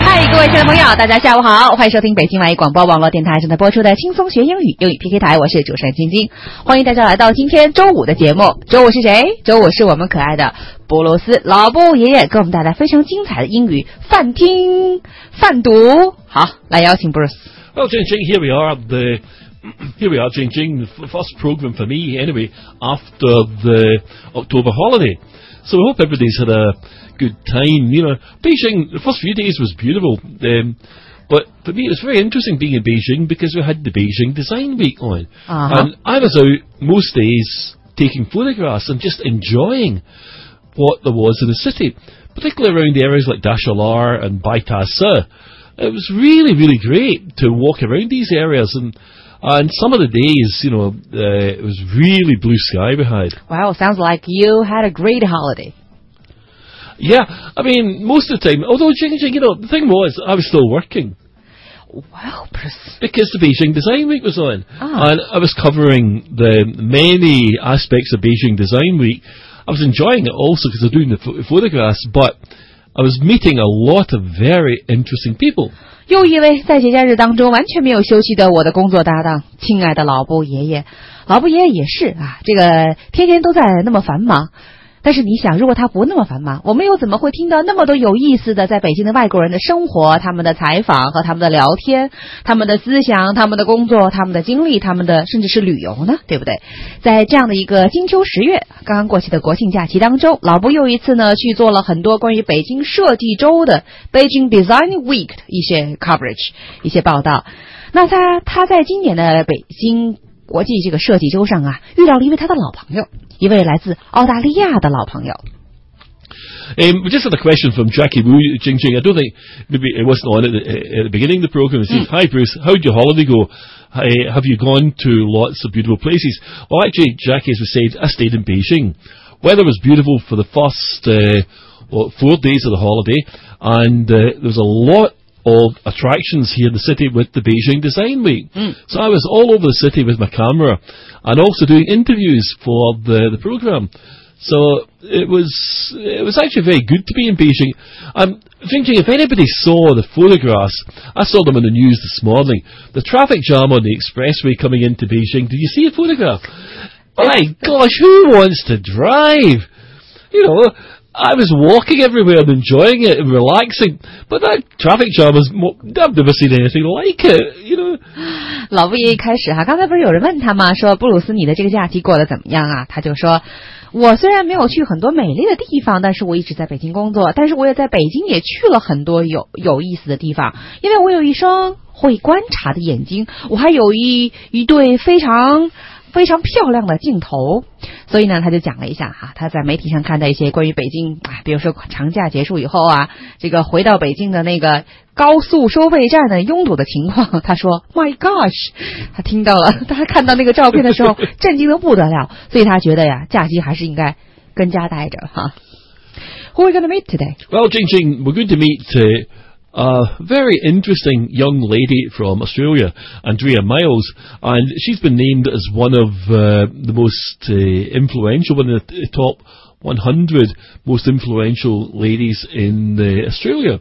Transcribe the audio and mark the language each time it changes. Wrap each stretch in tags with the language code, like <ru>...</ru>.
<zh>听众朋友，大家下午好，欢迎收听北京外语广播网络电台正在播出的轻松学英语英语 PK 台，我是主持人晶晶，欢迎大家来到今天周五的节目。周五是谁？周五是我们可爱的布鲁斯老布爷爷，给我们带来非常精彩的英语饭听饭读。好，来邀请布鲁斯。</zh> <en>Well, Jingjing, here we are, Jingjing, the first program for me, anyway, after the October holiday. So I hope everybody's had a good time. You know, Beijing, the first few days was beautiful, but for me it was very interesting being in Beijing because we had the Beijing Design Week on. Uh-huh. And I was out most days taking photographs and just enjoying what there was in the city, particularly around the areas like Dashalar and Baitasa. It was really, really great to walk around these areas, and some of the days, you know, it was really blue sky we had. Wow, sounds like you had a great holiday. Yeah, I mean, most of the time, although, Jingjing, you know, the thing was, I was still working. Wow, Bruce. Because the Beijing Design Week was on, oh. And I was covering the many aspects of Beijing Design Week. I was enjoying it also because I was doing the photographs, but I was meeting a lot of very interesting people.</en> <zh>又因为在节假日当中完全没有休息的我的工作搭档，亲爱的老布爷爷，老布爷爷也是啊，这个天天都在那么繁忙。但是你想，如果他不那么繁忙，我们又怎么会听到那么多有意思的在北京的外国人的生活、他们的采访和他们的聊天、他们的思想、他们的工作、他们的经历、他们的甚至是旅游呢？对不对？在这样的一个金秋十月刚刚过去的国庆假期当中，老布又一次呢去做了很多关于北京设计周的 Beijing Design Week 的一些 coverage 一些报道。那他在今年的北京国际这个设计周上啊，遇到了一位他的老朋友，一位来自澳大利亚的老朋友。</zh> <en>We just had a question from Jackie Wu, Jingjing. I don't think maybe it wasn't on at the beginning of the program. It says, Hi Bruce, how'd your holiday go? Have you gone to lots of beautiful places? Well, actually, Jackie, as we said, I stayed in Beijing. Weather was beautiful for the first 4 days of the holiday, and there was a lot of attractions here in the city with the Beijing Design Week. Mm. So I was all over the city with my camera and also doing interviews for the program. So it was actually very good to be in Beijing. I'm thinking if anybody saw the photographs, I saw them on the news this morning, the traffic jam on the expressway coming into Beijing. Did you see a photograph? My gosh, who wants to drive? You know, I was walking everywhere and enjoying it and relaxing, but that traffic jam was more, I've never seen anything like it, you know.</en> <zh>老布爷一开始啊，刚才不是有人问他吗？说布鲁斯，你的这个假期过得怎么样啊？他就说，我虽然没有去很多美丽的地方，但是我一直在北京工作，但是我也在北京也去了很多有意思的地方，因为我有一双会观察的眼睛，我还有一对非常漂亮的镜头，所以呢，他就讲了一下哈，他在媒体上看到一些关于北京，比如说长假结束以后啊，这个回到北京的那个高速收费站的拥堵的情况，他说 ，</zh> <en>My gosh，</en> <zh>他听到了，他看到那个照片的时候，震惊的不得了，所以他觉得呀，假期还是应该跟家待着哈。</zh> <en>Who are we going to meet today? Well, Jingjing, we're going to meet a very interesting young lady from Australia, Andrea Miles, and she's been named as one of the most influential, one of the top 100 most influential ladies in Australia.</en>